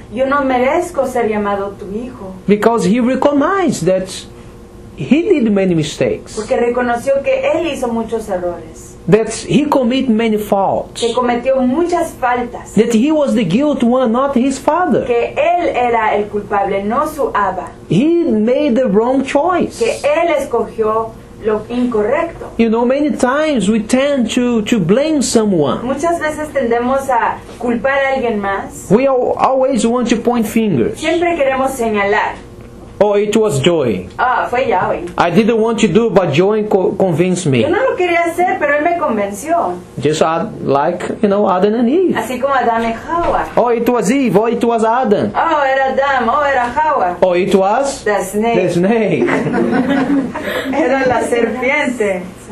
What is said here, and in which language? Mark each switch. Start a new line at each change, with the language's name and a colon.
Spanish: Yo no merezco ser llamado tu hijo.
English: Because he recognized that he did many mistakes.
Spanish: Porque reconoció que él hizo muchos errores.
English: That he committed many faults.
Spanish: Que cometió muchas faltas.
English: That he was the guilty one, not his father.
Spanish: Que él era el culpable, no su abba.
English: He made the wrong choice.
Spanish: Que él escogió lo incorrecto.
English: You know, many times we tend to blame someone.
Spanish: Muchas veces tendemos a culpar a alguien más.
English: We always want to point fingers.
Spanish: Siempre queremos señalar.
English: Oh, it was Joy.
Spanish: Ah, fue Yahweh.
English: I didn't want to do, but Joy convinced me.
Spanish: Yo no lo quería hacer, pero él me convenció.
English: Just like, you know, Adam and Eve.
Spanish: Así como Adam y Hawa.
English: Oh, it was Eve. Oh, it was Adam.
Spanish: Oh, era Adam. Oh, era Hawa.
English: Oh, it was the snake. The snake.
Spanish: Era la serpiente.